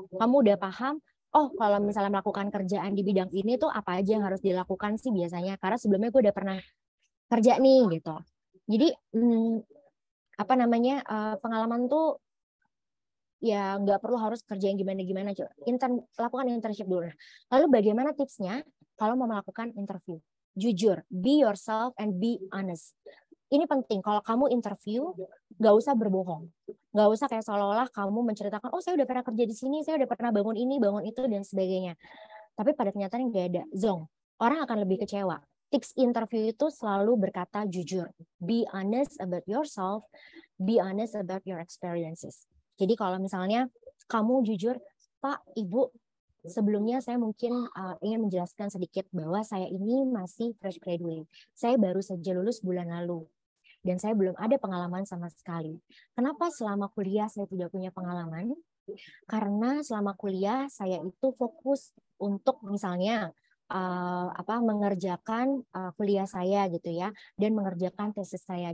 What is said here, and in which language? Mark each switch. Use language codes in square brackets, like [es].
[id] Kamu udah paham, oh kalau misalnya melakukan kerjaan di bidang ini tuh apa aja yang harus dilakukan sih biasanya. Karena sebelumnya gue udah pernah kerja nih gitu. Jadi apa namanya, pengalaman tuh ya gak perlu harus kerja yang gimana-gimana. Lakukan internship dulu. Lalu bagaimana tipsnya kalau mau melakukan interview? [en] Jujur, be yourself and be honest. [id] Ini penting, kalau kamu interview, gak usah berbohong. Gak usah kayak seolah-olah kamu menceritakan, oh saya udah pernah kerja di sini, saya udah pernah bangun ini, bangun itu, dan sebagainya. Tapi pada kenyataan gak ada. Zong, orang akan lebih kecewa. Tips interview itu selalu berkata jujur. [en] Be honest about yourself, be honest about your experiences. [id] Jadi kalau misalnya kamu jujur, Pak, Ibu, sebelumnya saya mungkin ingin menjelaskan sedikit bahwa saya ini masih fresh graduate. Saya baru saja lulus bulan lalu dan saya belum ada pengalaman sama sekali. Kenapa selama kuliah saya tidak punya pengalaman? Karena selama kuliah saya itu fokus untuk misalnya mengerjakan kuliah saya gitu ya, dan mengerjakan tesis saya.